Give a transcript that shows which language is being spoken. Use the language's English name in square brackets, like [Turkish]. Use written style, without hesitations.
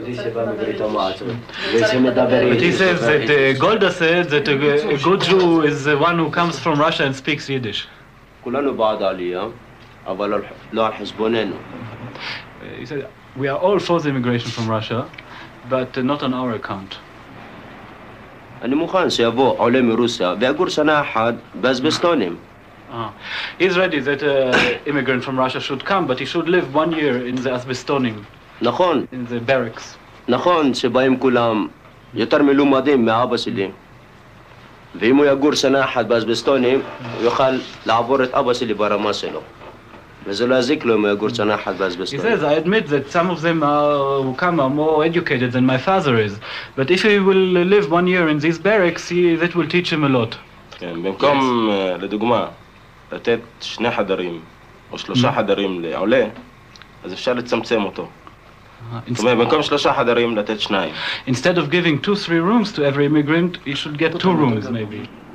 [English] But he says that Golda said that a good Jew is the one who comes from Russia and speaks Yiddish. He said, we are all for the immigration from Russia, but not on our account. [Hebrew] אני מוכן שיבוא עולה מרוסיה ויגור שנה אחת באזבסטונים. [English] He's ready that an immigrant from Russia should come, but he should live 1 year in the Asbestonim. [Hebrew] נכון. [English] In the barracks. [Hebrew] נכון, שבאים כולם יותר מלומדים מאבא שלי. ואם הוא יגור שנה אחת באזבסטונים, הוא יוכל לעבור את אבא שלי ברמה שלו. וזה לא יזיק לו אם הוא יגור שנה אחת באזבסטונים. [English] He says, I admit that some of them are more educated than my father is. But if he will live 1 year in these barracks, that will teach him a lot. [Hebrew] כן, במקום לדוגמה, לתת שני חדרים או שלושה חדרים לעולה, אז אפשר לצמצם אותו. זאת אומרת, במקום שלושה חדרים, לתת שניים. [English] Instead of giving two, three rooms to every immigrant, you should get two rooms, maybe.